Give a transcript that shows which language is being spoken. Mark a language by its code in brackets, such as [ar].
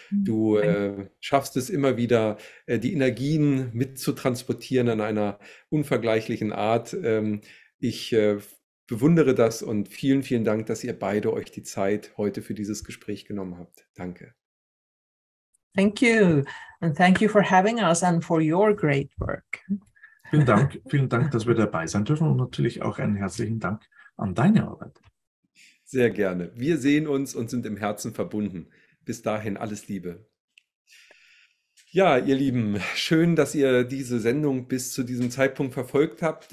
[de] Du schaffst es immer wieder, die Energien mitzutransportieren in einer unvergleichlichen Art. Ich bewundere das und vielen, vielen Dank, dass ihr beide euch die Zeit heute für dieses Gespräch genommen habt. Danke. [en] Thank you. And thank you for having us and for your great work. [de] Vielen Dank, dass wir dabei sein dürfen und natürlich auch einen herzlichen Dank an deine Arbeit. Sehr gerne. Wir sehen uns und sind im Herzen verbunden. Bis dahin alles Liebe. Ja, ihr Lieben, schön, dass ihr diese Sendung bis zu diesem Zeitpunkt verfolgt habt.